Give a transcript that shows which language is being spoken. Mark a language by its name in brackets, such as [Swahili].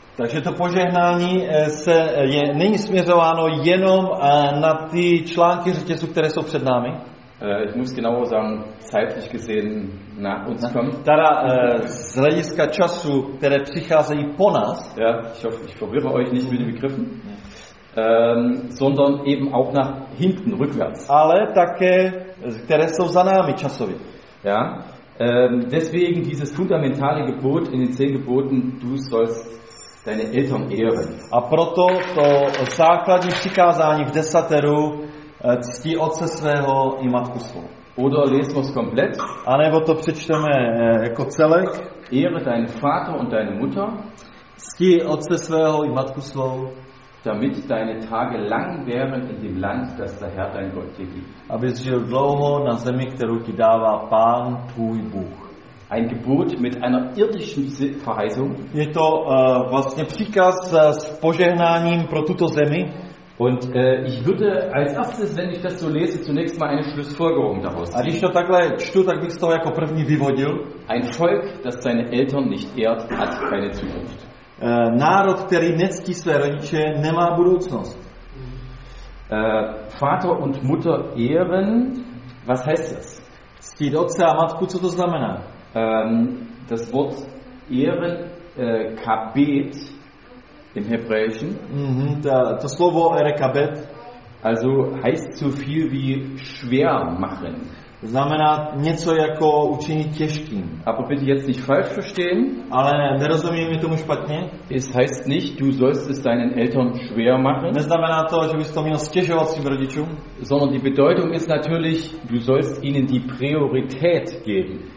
[Czech] Takže to požehnání není směřováno jenom na ty články řetězu, které jsou před námi. [German] Ich muss genau sagen, zeitlich gesehen na uns kommt. [Czech] Teda z hlediska času, které přicházejí po nás. [German] Ja, ich hoffe, ich verwirre euch nicht mit den Begriffen. Sondern eben auch nach hinten, rückwärts. [Czech] Ale také, které jsou za námi časově. [German] Ja, deswegen dieses fundamentale Gebot in den 10 Geboten, du sollst deine Eltern ehren. [Czech] A proto to základní přikázání v desateru ctí otce svého i matku svou. [German] Oder lesen wir es komplett. [Czech] A nebo to přečteme jako celek. [German] Ehre deinen Vater und deine Mutter. [Czech] Ctí otce svého i matku svou. [German] damit deine Tage lang wären in dem Land, das der Herr dein Gott dir gibt. [Czech] Abys žil dlouho na zemi, kterou ti dává Pán tvůj Bůh. [German] Ein Gebot mit einer irdischen Verheißung. [Czech] Je to vlastně příkaz s požehnáním pro tuto zemi. [German] Und ich würde als erstes, wenn ich das so lese, zunächst mal eine Schlussfolgerung daraus ziehen. [Czech] A když to takhle čtu, tak bych z toho jako první vyvodil. [German] Ein Volk, das seine Eltern nicht ehrt, hat keine Zukunft. [Czech] Národ, který nectí své rodiče, nemá budoucnost. [German] Vater und Mutter ehren, was heißt das? [Czech] Ctít otce a matku, co to znamená? [German] Das Wort ehren, kabet, im Hebräischen. [Czech] Mm-hmm, das slovo erekabet. [German] Also heißt so viel wie schwer machen. [Czech] Znamená něco jako učinit těžkým. [German] Aber bitte jetzt nicht falsch verstehen. [Czech] Ale nerozumím je tomu špatně. [German] Es heißt nicht, du sollst es deinen Eltern schwer machen. [Czech] Neznamená to, že bys to měl stěžovat svým rodičům. [German] Sondern die Bedeutung ist natürlich, du sollst ihnen die Priorität geben.